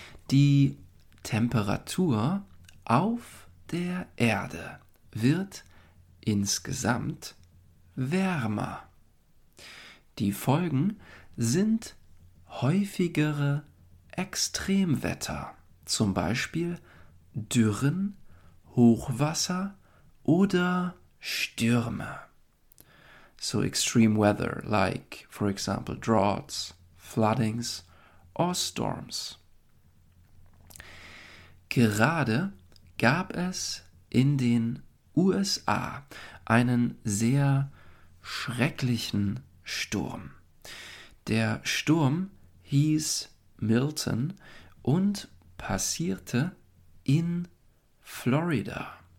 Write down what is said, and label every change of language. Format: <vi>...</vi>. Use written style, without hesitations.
<de>Die Temperatur auf der Erde wird insgesamt wärmer. Die Folgen sind häufigere Extremwetter, zum Beispiel Dürren, Hochwasser oder Stürme.</de> <en>So extreme weather, like for example droughts, floodings or storms.</en> <de>Gerade gab es in den USA einen sehr schrecklichen Sturm. Der Sturm hieß Milton und passierte in Florida.</de>